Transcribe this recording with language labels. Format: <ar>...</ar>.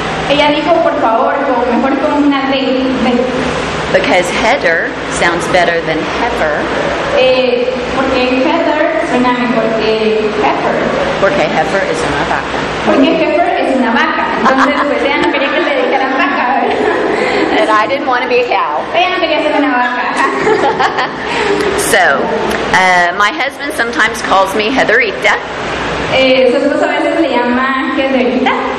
<es>Ella dijo, por favor, o mejor con una D.</es> <en>Because Heather sounds better than heifer.</en> <es>Porque Heather suena mejor que heifer. Porque heifer es una vaca. Porque heifer es una vaca. Entonces, pues ella no quería que le dijeran vaca.</es> <en>And I didn't want to be a cow.</en> <es>Ella no quería ser una vaca.</es> <en>So, my husband sometimes calls me Heatherita.</en> <es>Su esposo a veces le llama Heatherita.</es>